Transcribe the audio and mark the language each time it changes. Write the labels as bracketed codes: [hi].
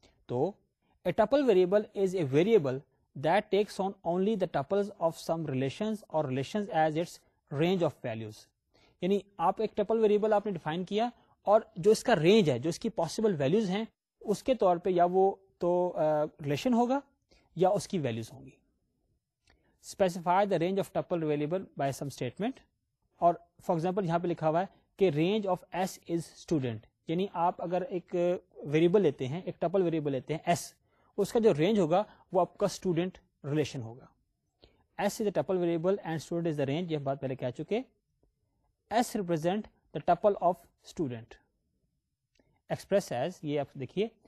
[en] تو a tuple variable is a variable that takes on only the tuples of some relations or relations as its range of values. [ur] یعنی آپ ایک tuple variable آپ نے define کیا اور جو اس کا رینج ہے, جو اس کی پاسبل ویلوز ہیں, اس کے طور پہ یا وہ تو ریلیشن ہوگا یا اس کی ویلوز ہوں گی. [en] Specify the range of tuple variable by some statement. [ur] اور فار ایگزامپل یہاں پہ لکھا ہوا ہے کہ [en] Range of S is student. [ur] یعنی آپ اگر ایک ویریبل لیتے ہیں, ایک ٹپل ویریبل لیتے ہیں ایس, اس کا جو رینج ہوگا وہ آپ کا اسٹوڈنٹ ریلیشن ہوگا. [en] S is a tuple variable and student is the range, [ur] یہ بات پہلے کہہ چکے. [en] S represent the tuple of student expresses, [ur] یہ آپ دیکھیے.